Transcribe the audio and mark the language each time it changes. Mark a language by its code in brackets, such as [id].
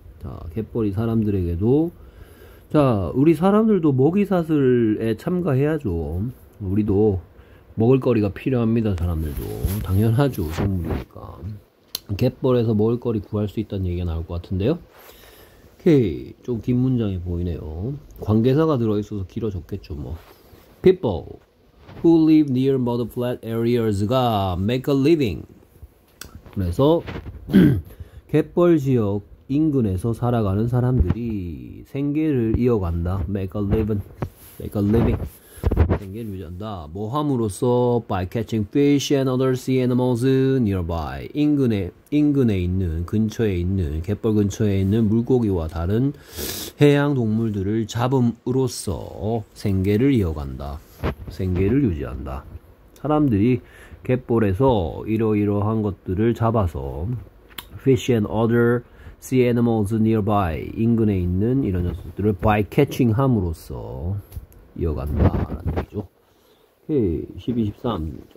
[ko] 자, 갯벌이 사람들에게도. 자, 우리 사람들도 먹이 사슬에 참가해야죠. 우리도 먹을 거리가 필요합니다, 사람들도. 당연하죠, 생물이니까. 갯벌에서 먹을 거리 구할 수 있다는 얘기가 나올 것 같은데요. 오케이. 좀긴 문장이 보이네요. 관계사가 들어있어서 길어졌겠죠, 뭐. [en] People who live near mudflat areas가 make a living. [ko] 그래서, 갯벌 지역 인근에서 살아가는 사람들이 생계를 이어간다. [en] Make a living. Make a living. [ko] 생계를 유지한다. 뭐함으로써? [en] By catching fish and other sea animals nearby. [ko] 인근에 있는, 근처에 있는, 갯벌 근처에 있는 물고기와 다른 해양 동물들을 잡음으로써 생계를 이어간다. 생계를 유지한다. 사람들이 갯벌에서 이러이러한 것들을 잡아서 [en] fish and other sea animals nearby [ko] 인근에 있는 이런 녀석들을 [en] by catching [ko] 함으로써 이어간다라는 얘기죠. 오케이. 12, 13.